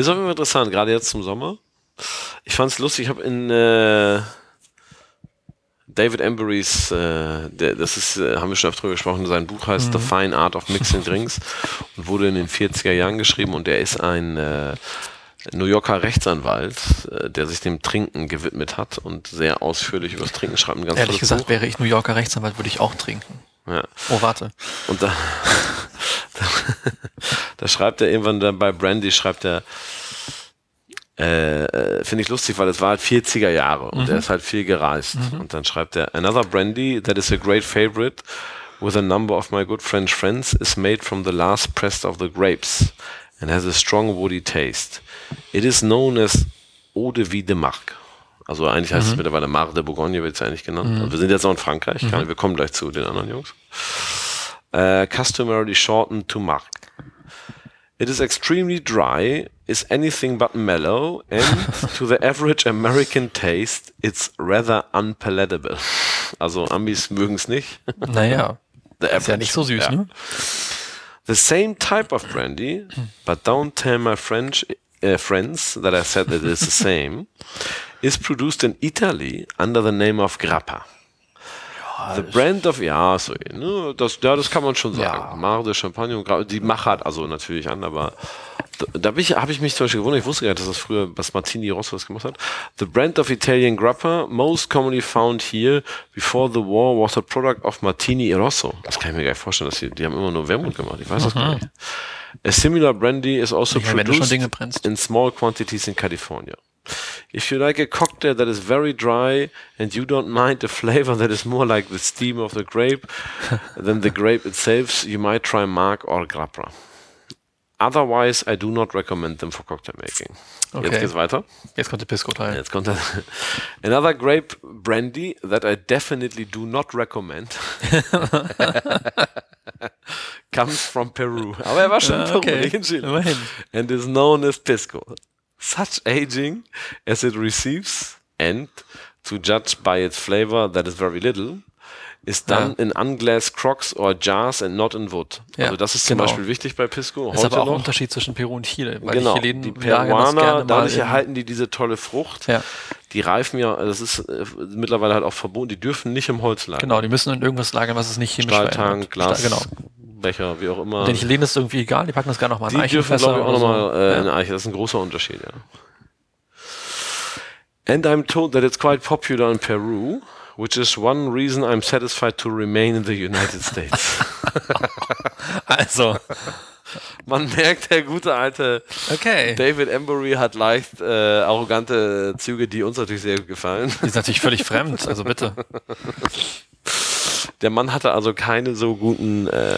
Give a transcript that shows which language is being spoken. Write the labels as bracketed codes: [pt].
[de] Ist auch immer interessant, gerade jetzt zum Sommer. Ich fand es lustig, ich habe in David Emberys, haben wir schon oft drüber gesprochen, sein Buch heißt The Fine Art of Mixing Drinks und wurde in den 40er Jahren geschrieben und er ist ein New Yorker Rechtsanwalt, der sich dem Trinken gewidmet hat und sehr ausführlich über das Trinken schreibt. Ein ganz ehrlich gesagt, Buch. Wäre ich New Yorker Rechtsanwalt, würde ich auch trinken. Ja. Oh, warte. Und da schreibt er irgendwann dann bei Brandy, schreibt er, finde ich lustig, weil es war halt 40er Jahre und er ist halt viel gereist. Mhm. Und dann schreibt er, [en] another Brandy that is a great favorite with a number of my good French friends is made from the last pressed of the grapes. And has a strong woody taste. It is known as Eau de Vie de Marc. [de] Also eigentlich heißt es mittlerweile Mar de Bourgogne, wird es eigentlich genannt. Und wir sind jetzt auch in Frankreich, wir kommen gleich zu den anderen Jungs. [en] Customarily shortened to Marc. It is extremely dry, is anything but mellow, and to the average American taste, it's rather unpalatable. [de] Also Amis mögen es nicht. Naja, ist ja nicht so süß, ne? [en] The same type of brandy, but don't tell my French friends that I said that it's the same, is produced in Italy under the name of Grappa. [de] Ja, [en] the brand of, [de] ja, so, ne, das kann man schon sagen. Ja. Mare de Champagne und Grappa, die Machart, also natürlich an, aber da habe ich mich zum Beispiel gewundert, ich wusste gar nicht, dass das früher was Martini Rosso was gemacht hat. [en] The brand of Italian Grappa, most commonly found here before the war, was a product of Martini Rosso. [de] Das kann ich mir gar nicht vorstellen, dass die haben immer nur Wermut gemacht, ich weiß das gar nicht. [en] A similar brandy is also produced in small quantities in California. If you like a cocktail that is very dry and you don't mind a flavor that is more like the steam of the grape than the grape itself, you might try Marc or Grappa. Otherwise, I do not recommend them for cocktail making. [de] Okay. Jetzt geht's weiter. Jetzt kommt der Pisco Teil. Jetzt kommt der [en] another grape brandy that I definitely do not recommend comes from Peru. [de] Aber er war schon in Chile. Immerhin. [en] And is known as Pisco. Such aging as it receives and to judge by its flavor that is very little is done in unglazed crocks or jars and not in wood. [de] Ja, also das ist zum Beispiel wichtig bei Pisco. Das ist aber auch ein Unterschied zwischen Peru und Chile. Weil genau, die Peruaner, dadurch erhalten die diese tolle Frucht. Ja. Die reifen ja, das ist mittlerweile halt auch verboten, die dürfen nicht im Holz lagern. Genau, die müssen in irgendwas lagern, was es nicht chemisch verändert. Stahltank, Glas, Becher, wie auch immer. Den Chilen ist irgendwie egal, die packen das gerne nochmal in Eichenfässer. Die dürfen, glaube ich, auch nochmal in Eiche. Das ist ein großer Unterschied, ja. [en] And I'm told that it's quite popular in Peru. Which is one reason I'm satisfied to remain in the United States. [de] Also. Man merkt, der gute alte David Embury hat leicht arrogante Züge, die uns natürlich sehr gefallen. Die sind natürlich völlig fremd, also bitte. Der Mann hatte also keine so guten